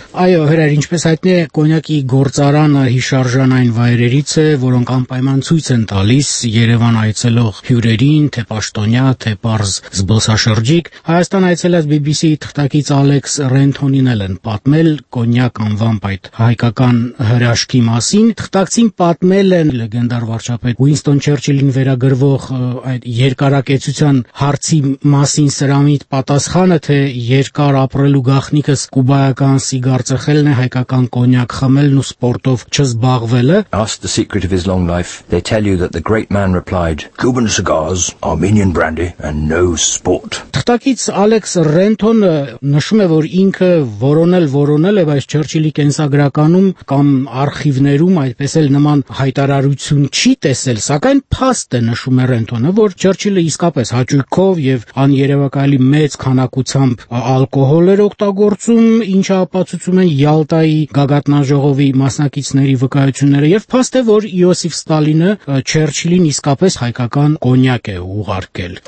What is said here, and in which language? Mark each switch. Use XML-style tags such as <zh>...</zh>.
<hy>Այո, հրեր, ինչպես հայտնի է, կոնյակի գործարանը հիշարժան այն վայրերից է, որոնք անպայման ցույց են տալիս Երևան այցելող հյուրերին, թե պաշտոնյա, թե պարզ զբոսաշրջիկ։ Հայաստան այցելած BBC-ի թղթակից Ալեքս Ռենթոնին էլ են պատմել կոնյակ անվամբ այդ հայկական հրաշքի մասին։ Թղթակցին պատմել են լեգենդար վարչապետ Ուինստոն Չերչիլին վերագրվող այդ երկարակեցության հարցի մասին սրամիտ պատասխանը, թե երկար ապրելու գաղտնիքս կուբայական սիգար ծխելն է, հայկական կոնյակ խմելն ու սպորտ աշխատանքով չզբաղվելը։</hy> <en>Ask the secret of his long life. They tell you that the great man replied, Cuban cigars, Armenian brandy and no sport.</en> <hy>Թղթակից Alex Renton-ը նշում է, որ ինքը որոնել է, բայց Churchill-ի կենսագրականում կամ արխիվներում այդպես էլ նման հայտարարություն չի տեսել, սակայն փաստ է նշում է Renton-ը, որ Churchill-ը իսկապես հաճույքով եւ աներևակայելի մեծ քանակությամբ ալկոհոլ էր օգտագործում, ինչը ապացուցում են Յալտայի գագաթնաժողովի մասնակիցների վկայությունները եւ փաստ է, որ Իոսիֆ Ստալինը Չերչիլին իսկապես հայկական կոնյակ է ուղարկել։</hy>